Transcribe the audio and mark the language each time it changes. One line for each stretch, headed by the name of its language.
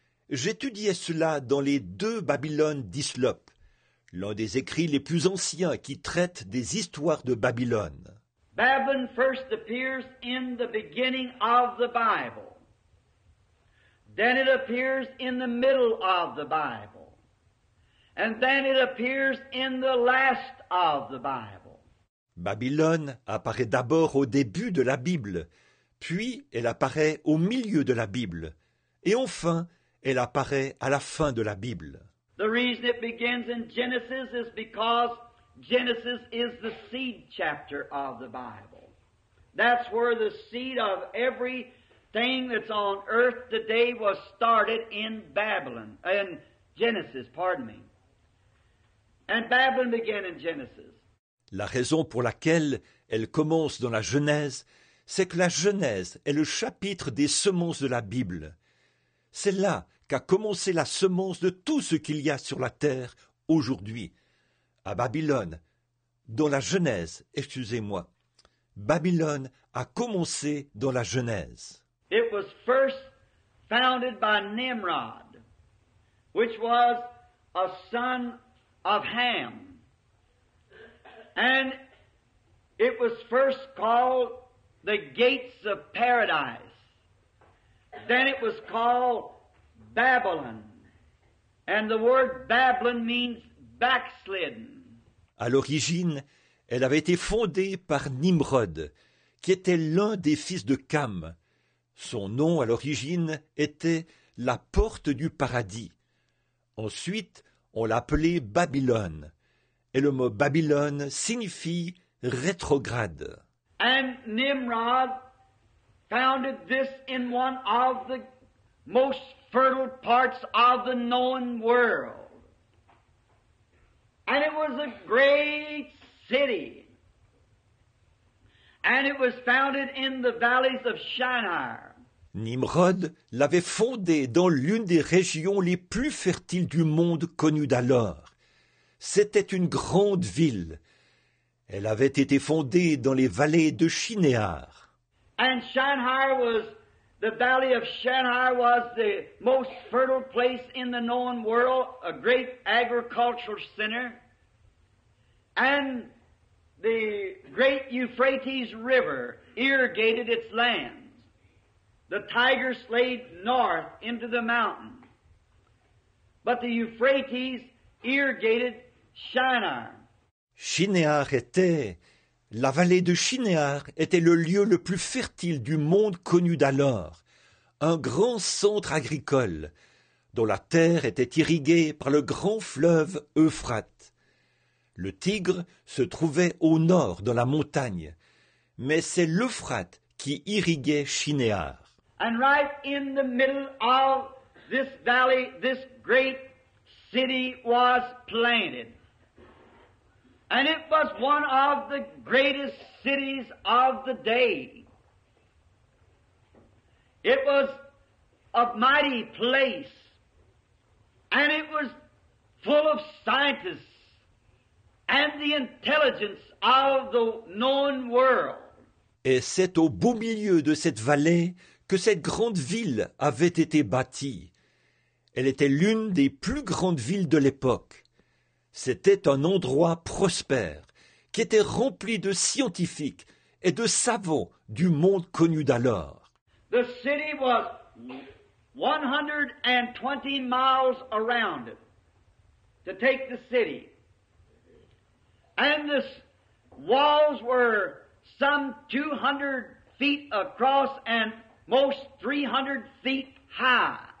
French: J'étudiais cela dans les deux Babylones d'Islop, l'un des écrits les plus anciens qui traite des histoires de Babylone.
English: Babylon first appears in the beginning of the Bible. Then it appears in the middle of the Bible. And then it appears in the last of the Bible.
French: Babylone apparaît d'abord au début de la Bible, puis elle apparaît au milieu de la Bible, Et enfin, elle apparaît à la fin de la Bible.
English: The reason it begins in Genesis is because Genesis is the seed chapter of the Bible. That's where the seed of everything that's on earth today was started in Babylon, in Genesis, pardon me. And Babylon began in Genesis.
French: La raison pour laquelle elle commence dans la Genèse, c'est que la Genèse est le chapitre des semences de la Bible. C'est là qu'a commencé la semence de tout ce qu'il y a sur la terre aujourd'hui, à Babylone, dans la Genèse, excusez-moi. Babylone a commencé dans la Genèse.
English: It was first founded by Nimrod, which was a son of Ham. And it was first called the Gates of Paradise. Then it was called Babylon. And the word Babylon means backslidden.
French: À l'origine, elle avait été fondée par Nimrod, qui était l'un des fils de Cam. Son nom, à l'origine, était la porte du paradis. Ensuite, on l'appelait Babylone. Et le mot Babylone signifie rétrograde.
English: And Nimrod founded this in one of the most fertile parts of the known world. And it was a great city. And it was founded in the valleys of Shinar.
French: Nimrod l'avait fondée dans l'une des régions les plus fertiles du monde connue d'alors. C'était une grande ville. Elle avait été fondée dans les vallées de Shinéar.
English: And Shinar was, the valley of Shinar was the most fertile place in the known world, a great agricultural center. And the great Euphrates River irrigated its land. The Tigris laid north into the mountain, but the Euphrates irrigated Shinar.
French: Shinéar était, la vallée de Shinéar était le lieu le plus fertile du monde connu d'alors, un grand centre agricole, dont la terre était irriguée par le grand fleuve Euphrate. Le Tigre se trouvait au nord dans la montagne, mais c'est l'Euphrate qui irriguait Shinéar.
English: And right in the middle of this valley, this great city was planted. And it was one of the greatest cities of the day. It was a mighty place. And it was full of scientists and the intelligence of the known world.
French: Et c'est au beau milieu de cette vallée que cette grande ville avait été bâtie. Elle était l'une des plus grandes villes de l'époque. C'était un endroit prospère, qui était rempli de scientifiques et de savants du monde connu d'alors.
English: The city was 120 miles around it, to take the city. And the walls were some 200 feet across and most 300 feet high.